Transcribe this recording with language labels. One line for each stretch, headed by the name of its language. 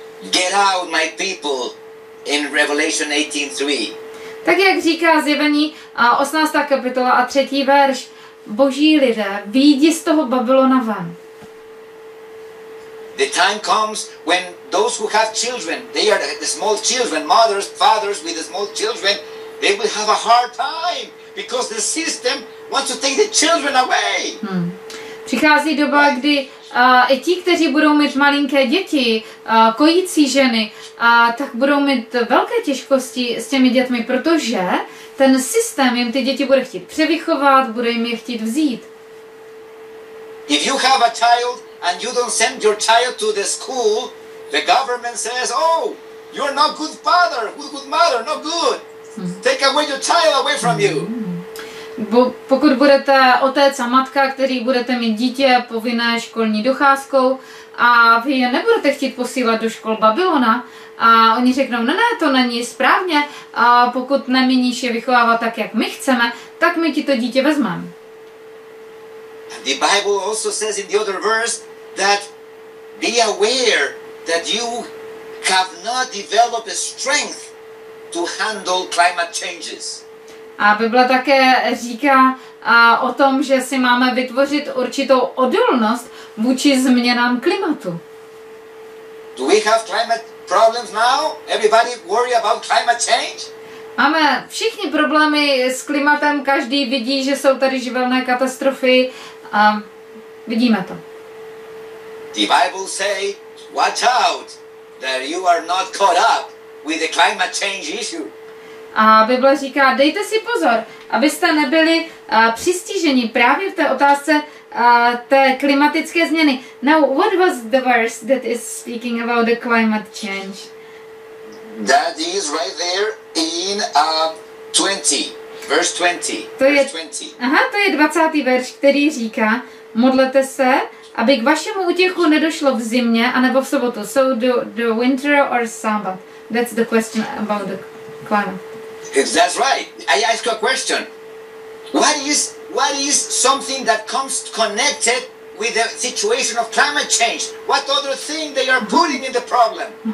English: Get out, my people, in Revelation 18:3.
Czech: Tak jak říká Zjevení 18. kapitola a 3. verš, Boží lidé, vyjdi z toho Babylona ven.
English: The time comes when those who have children, they are the small children, mothers, fathers with the small children, they will have a hard time because the system wants to take the children away.
Czech: Přichází doba, kdy i ti, kteří budou mít malinké děti, kojící ženy, tak budou mít velké těžkosti s těmi dětmi, protože ten systém jim ty děti bude chtít převychovat, bude jim je chtít vzít.
English: If you have a child and you don't send your child to the school, the government says, oh, you're not good father, good mother, not good. Take away your child away from you.
Czech: Pokud budete otec a matka, který budete mít dítě povinné školní docházkou a vy je nebudete chtít posílat do škol Babylona a oni řeknou, ne, to není správně a pokud neměníš je vychovávat tak, jak my chceme, tak my ti to dítě vezmeme.
English: And the Bible also says in the other verse that be aware that you have not developed strength to handle climate changes.
Czech: A Bible také říká o tom, že si máme vytvořit určitou odolnost vůči změnám klimatu.
English: Do we have climate problems now? Everybody worry about climate change?
Czech: Máme všichni problémy s klimatem, každý vidí, že jsou tady živelné katastrofy a vidíme to.
English: The Bible say, watch out that you are not caught up with the climate change issue.
Czech: A Bible říká, dejte si pozor, abyste nebyli přistiženi právě v té otázce té klimatické změny.
English: Now, what was the verse that is speaking about the climate change? That is right there in 20.
Czech: To je 20. verš, který říká, modlete se, aby k vašemu útěchu nedošlo v zimě, anebo v sobotu.
English: So, the winter or Sabbath? That's the question about the climate. That's right. I ask a question. What is something that comes connected with the situation of climate change? What other thing they are putting in the problem?